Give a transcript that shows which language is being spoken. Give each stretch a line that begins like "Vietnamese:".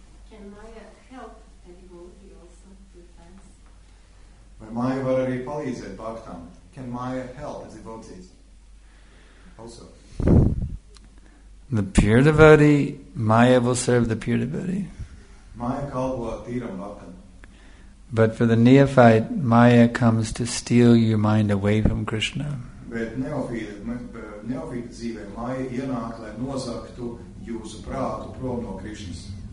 English: Can Maya help a devotee also with fans?
Latvian: Vai Maya var arī palīdzēt bhaktam?
English: Can Maya help a devotee also? The pure devotee, Maya will serve the pure devotee.
Latvian: Maya kalpo tīram bhaktam.
English: But for the neophyte, Maya comes to steal your mind away from Krishna.
Latvian: Bet neophyte dzīvē, Maya ienāk, lai nozaktu jūsu prātu prom no Krishnas.